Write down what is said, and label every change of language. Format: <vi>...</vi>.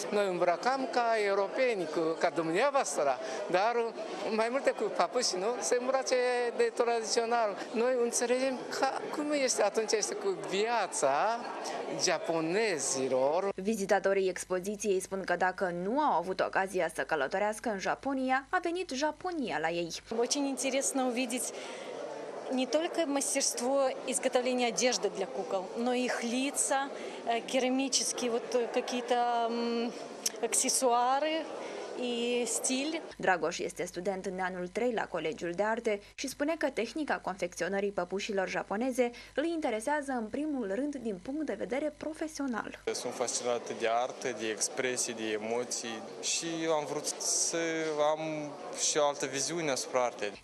<ro>Noi îmbrăcăm ca europeni, ca dumneavoastră, dar mai multe cu păpuși, nu? Se îmbrace de tradițional. Noi înțelegem ca, cum este atunci este cu viața japonezilor. Vizitatorii expoziției spun că dacă nu au avut ocazia să călătorească în Japonia, a venit Japonia la ei. Ce interesant să vedeți</ro> <ru>не только мастерство изготовления одежды для кукол, но и их лица, керамические вот какие-то аксессуары и стиль.</ru> <ro>Dragoș este student în anul 3 la Colegiul de Arte și spune că tehnica confecționării păpușilor japoneze îl interesează în primul rând din punct de vedere profesional. Sunt fascinat de artă, de expresii, de emoții și am vrut să am și o altă viziune asupra artei.</ro>